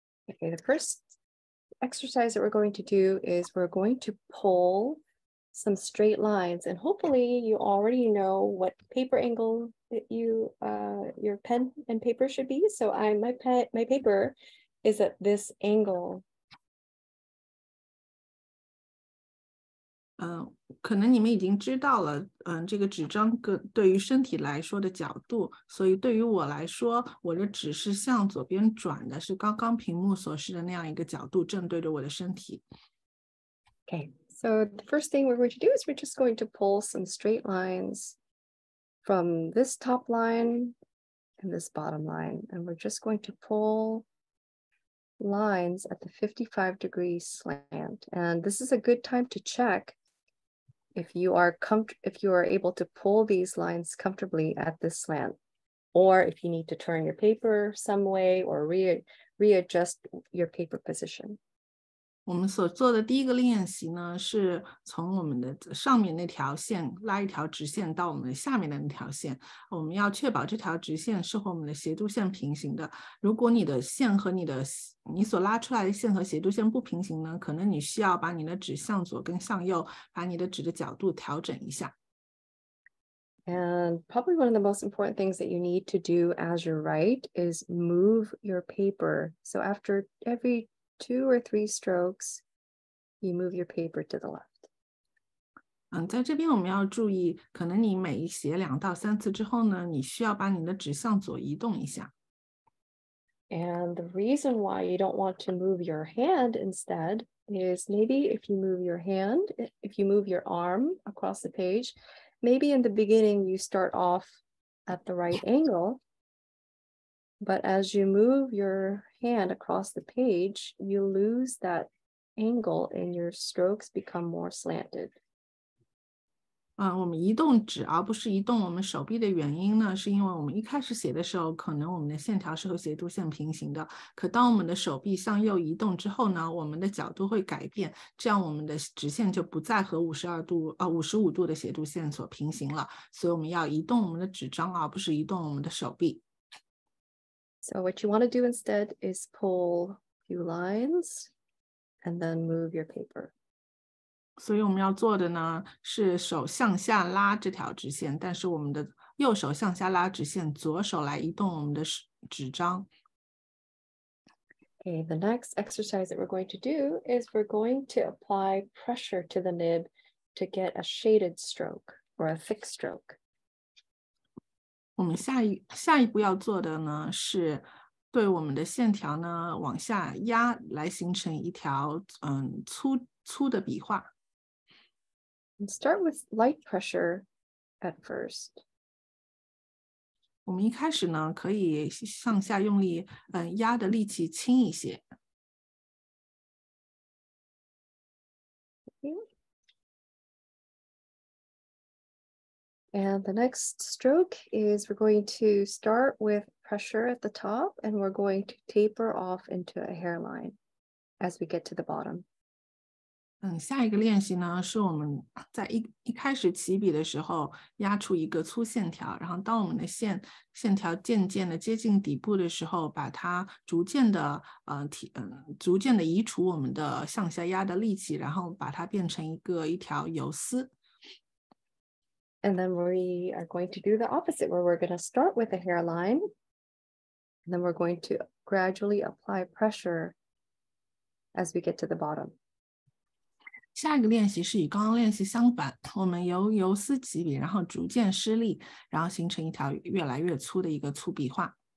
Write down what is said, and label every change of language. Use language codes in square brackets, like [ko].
[en] Okay, the first exercise that we're going to do is we're going to pull some straight lines, and hopefully you already know what paper angle that you your pen and paper should be. So my paper is at this angle. [zh] 可能你们已经知道了，这个纸张对于身体来说的角度，所以对于我来说，我的纸是向左边转的，是刚刚屏幕所示的那样一个角度，正对着我的身体。 [en] Okay, so the first thing we're going to do is we're just going to pull some straight lines from this top line and this bottom line, and we're just going to pull lines at the 55 degree slant. And this is a good time to check if you are able to pull these lines comfortably at this slant, or if you need to turn your paper some way or readjust your paper position. [zh] 我们所做的第一个练习呢，是从我们的上面那条线拉一条直线到我们的下面的那条线。我们要确保这条直线是和我们的斜度线平行的。如果你的线和你所拉出来的线和斜度线不平行呢，可能你需要把你的纸向左跟向右，把你的纸的角度调整一下。 [en] And probably one of the most important things that you need to do as you write is move your paper. So after every two or three strokes, you move your paper to the left. [zh] 在这边我们要注意，可能你每写两到三次之后呢，你需要把你的纸向左移动一下。 [en] And the reason why you don't want to move your hand instead is maybe if you move your arm across the page, maybe in the beginning you start off at the right angle, but as you move your hand across the page, you lose that angle and your strokes become more slanted. [zh] 我们移动纸而不是移动我们手臂的原因呢，是因为我们一开始写的时候，可能我们的线条是和斜度线平行的。可当我们的手臂向右移动之后呢，我们的角度会改变，这样我们的直线就不再和55度的斜度线所平行了。所以我们要移动我们的纸张，而不是移动我们的手臂。 [en] So what you want to do instead is pull a few lines and then move your paper. [zh] 所以我们要做的呢，是手向下拉这条直线，但是我们的右手向下拉直线，左手来移动我们的纸张。 [en] Okay, the next exercise that we're going to do is we're going to apply pressure to the nib to get a shaded stroke or a thick stroke. [zh] 我们下一步要做的呢，是对我们的线条呢往下压，来形成一条粗的笔画。 [en] Start with light pressure at first. [zh] 我们一开始呢，可以上下用力，压的力气轻一些。 [en] And the next stroke is we're going to start with pressure at the top, and we're going to taper off into a hairline as we get to the bottom. [zh] 下一个练习呢，是我们在一开始起笔的时候压出一个粗线条，然后当我们的线条渐渐的接近底部的时候，把它逐渐的移除我们的向下压的力气，然后把它变成一条游丝。 [en] And then we are going to do the opposite, where we're going to start with a hairline, and then we're going to gradually apply pressure as we get to the bottom. [zh] 下一个练习是与刚刚练习相反，我们由游丝起笔，然后逐渐施力，然后形成一条越来越粗的一个粗笔画。